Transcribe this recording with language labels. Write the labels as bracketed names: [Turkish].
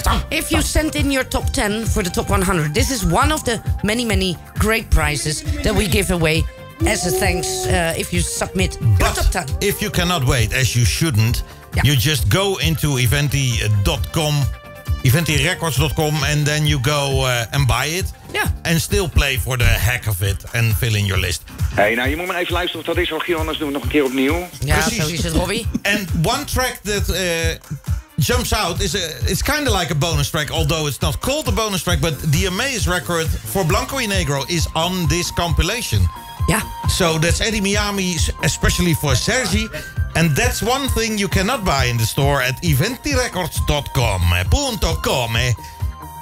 [English] If you send in your top 10 for the top 100, this is one of the many, many great prizes that we give away as a thanks if you submit your top 10. If you cannot wait, as you shouldn't, you just go into eventi.com, eventirecords.com, and then you go and buy it. Yeah. And still play for the heck of it and fill in your list. [Dutch] Hey, nou, je moet maar even luisteren wat dat is, Rogier, anders doen we nog een keer opnieuw. Ja, precies. Zo is het, Robby. [English] And one track that jumps out is it's kind of like a bonus track, although it's not called a bonus track, but the Amaze record for Blanco y Negro is on this compilation. Yeah. So that's Eddie Miami, especially for Sergi. And that's one thing you cannot buy in the store at eventirecords.com.